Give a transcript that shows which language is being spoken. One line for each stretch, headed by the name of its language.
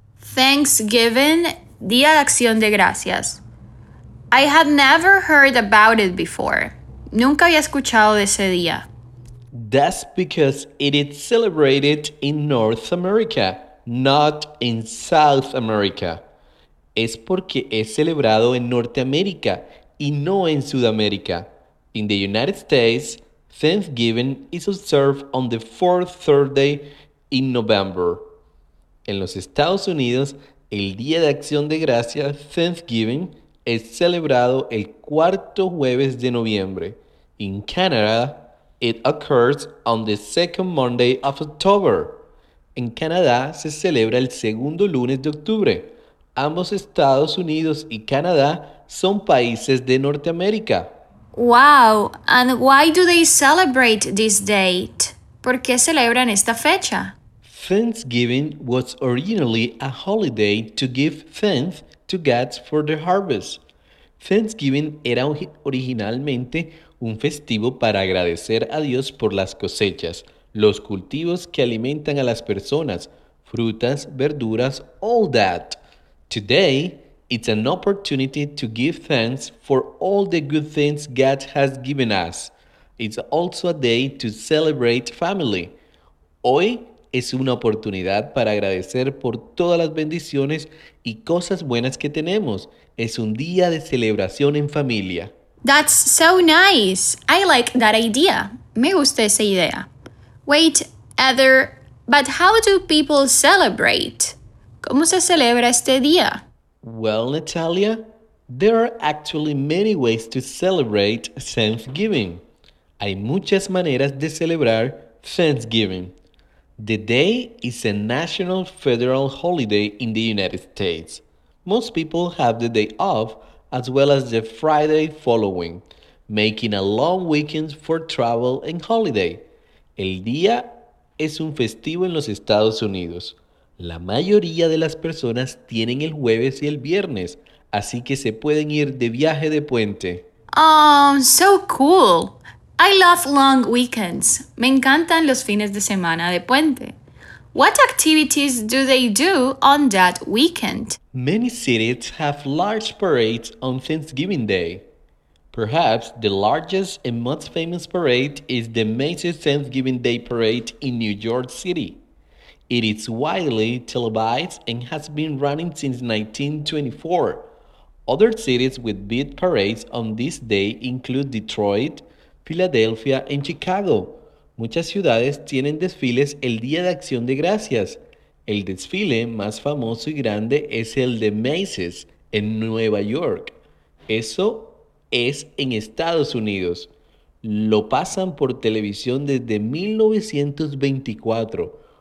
Spanish: Thanksgiving, Día de Acción de Gracias.
English: I had never heard about it before.
Spanish: Nunca había escuchado de ese día.
English: That's because it is celebrated in North America, not in South America.
Spanish: Es porque es celebrado en Norteamérica y no en Sudamérica.
English: In the United States, Thanksgiving is observed on the fourth Thursday in November.
Spanish: En los Estados Unidos, el Día de Acción de Gracias, Thanksgiving, es celebrado el cuarto jueves de noviembre.
English: In Canada, It occurs on the second Monday of October.
Spanish: En Canadá se celebra el segundo lunes de octubre. Ambos Estados Unidos y Canadá son países de Norteamérica.
English: Wow, and why do they celebrate this date?
Spanish: ¿Por qué celebran esta fecha?
English: Thanksgiving was originally a holiday to give thanks to God for the harvest.
Spanish: Thanksgiving era originalmente un festivo para agradecer a Dios por las cosechas, los cultivos que alimentan a las personas, frutas, verduras,
English: all that. Today, it's an opportunity to give thanks for all the good things God has given us. It's also a day to celebrate family.
Spanish: Hoy es una oportunidad para agradecer por todas las bendiciones y cosas buenas que tenemos. Es un día de celebración en familia.
English: That's so nice. I like that idea.
Spanish: Me gusta esa idea.
English: Wait, Heather, but how do people celebrate?
Spanish: ¿Cómo se celebra este día?
English: Well, Natalia, there are actually many ways to celebrate Thanksgiving.
Spanish: Hay muchas maneras de celebrar Thanksgiving.
English: The day is a national federal holiday in the United States. Most people have the day off as well as the Friday following, making a long weekend for travel and holiday.
Spanish: El día es un festivo en los Estados Unidos. La mayoría de las personas tienen el jueves y el viernes, así que se pueden ir de viaje de puente.
English: Oh, so cool. I love long weekends.
Spanish: Me encantan los fines de semana de puente.
English: What activities do they do on that weekend? Many cities have large parades on Thanksgiving Day. Perhaps the largest and most famous parade is the Macy's Thanksgiving Day Parade in New York City. It is widely televised and has been running since 1924. Other cities with big parades on this day include Detroit, Philadelphia, and Chicago.
Spanish: Muchas ciudades tienen desfiles el Día de Acción de Gracias. El desfile más famoso y grande es el de Macy's en Nueva York. Eso es en Estados Unidos. Lo pasan por televisión desde 1924.